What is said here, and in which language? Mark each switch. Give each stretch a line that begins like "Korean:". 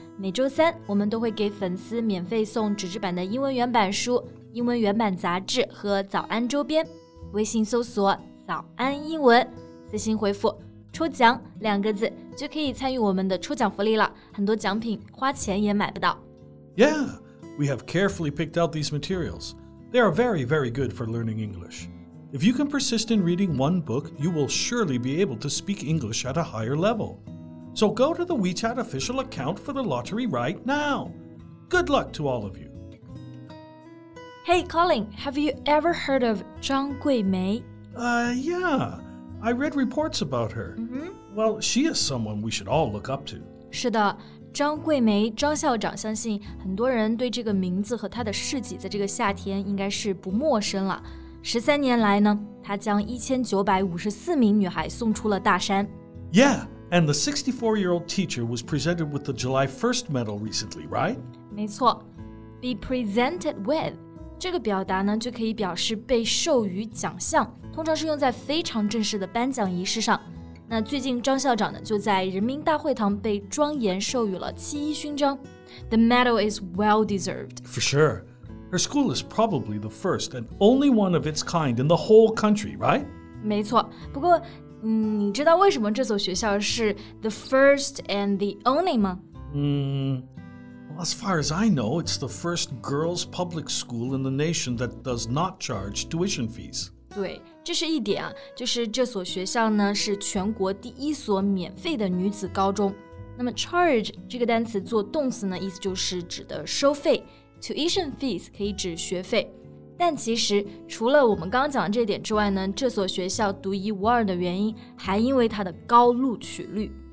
Chinese: 每周三，我们都会给粉丝免费送纸质版的英文原版书、英文原版杂志和早安周边。微信搜索“早安英文”，私信回复“抽奖”两个字，就可以参与我们的抽奖福利了。很多奖品花钱也买不到。
English: Yeah. We have carefully picked out these materials. They are very, very good for learning English. If you can persist in reading one book, you will surely be able to speak English at a higher level. So go to the WeChat official account for the lottery right now. Good luck to all of you. Hey, Colin, have you ever heard of Zhang Guimei? Yeah. I read reports about her. Well, she is someone we should all look up to.
Chinese: 是的。张桂梅张校长相信很多人对这个名字和他的事迹在这个夏天应该是不陌生了。 13年来呢，他将1954名女孩送出了大山。
English: Yeah, and the 64-year-old teacher was presented with the July 1st medal recently, right?
Chinese: 没错 ,
English: be presented with,
Chinese: 这个表达呢就可以表示被授予奖项，通常是用在非常正式的颁奖仪式上。那最近张校长呢就在人民大会堂被庄严授予了七一勋章。
English: The medal is well deserved. For sure. Her school is probably the first and only one of its kind in the whole country, right?
Chinese: 没错。不过你知道为什么这所学校是
English: the first and the only
Chinese: 吗？
English: Well, as far as I know, it's the first girls' public school in the nation that does not charge tuition fees.
Chinese: 对。这是一点啊，就是这所学校呢是全国第一所免费的女子高中。那么 charge 这个单词做动词呢，意思就是指的收费。 Tuition fees 可以指学费。但其实除了我们刚刚讲的这点之外呢，这所学校独一无二的原因还因为它的高录取率。